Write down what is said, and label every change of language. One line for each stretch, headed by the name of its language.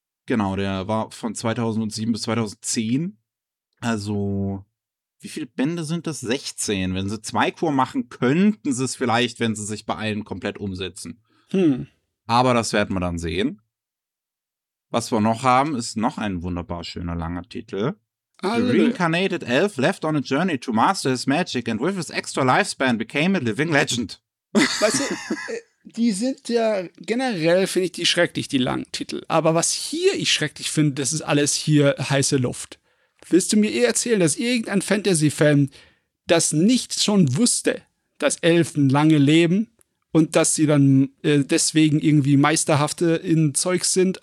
German: Genau, der war von 2007 bis 2010. Also, wie viele Bände sind das? 16. Wenn sie 2 Kur machen, könnten sie es vielleicht, wenn sie sich beeilen, komplett umsetzen. Aber das werden wir dann sehen. Was wir noch haben, ist noch ein wunderbar schöner langer Titel.
English: The reincarnated elf left on a journey to master his magic and with his extra lifespan became a living legend.
German: Weißt du, die sind ja generell, finde ich, die schrecklich, die langen Titel. Aber was hier ich schrecklich finde, das ist alles hier heiße Luft. Willst du mir eh erzählen, dass irgendein Fantasy-Fan das nicht schon wusste, dass Elfen lange leben und dass sie dann deswegen irgendwie meisterhafte in Zeug sind?